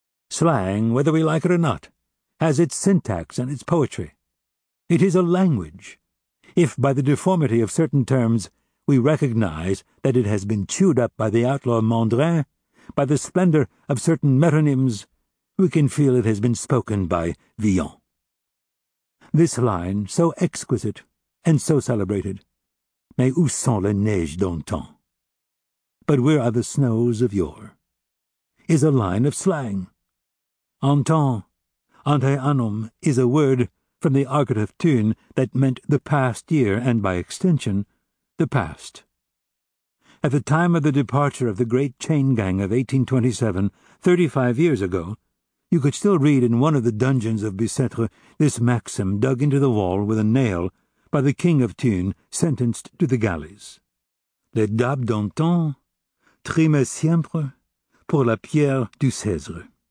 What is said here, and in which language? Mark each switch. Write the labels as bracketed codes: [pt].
[en] Slang, whether we like it or not, has its syntax and its poetry. It is a language, if by the deformity of certain terms we recognize that it has been chewed up by the outlaw Mondrain. By the splendor of certain metonyms, we can feel it has been spoken by Villon. This line, so exquisite and so celebrated, [fr] mais où sont les neiges d'antan? [en] But where are the snows of yore? Is a line of slang. Antan, ante annum, is a word from the argative tune that meant the past year and, by extension, the past. At the time of the departure of the great chain gang of 1827, 35 years ago, you could still read in one of the dungeons of Bicêtre this maxim dug into the wall with a nail by the king of Thunes sentenced to the galleys. [fr] Les dabs d'antan trimaient siempre pour la pierre du Cèsre.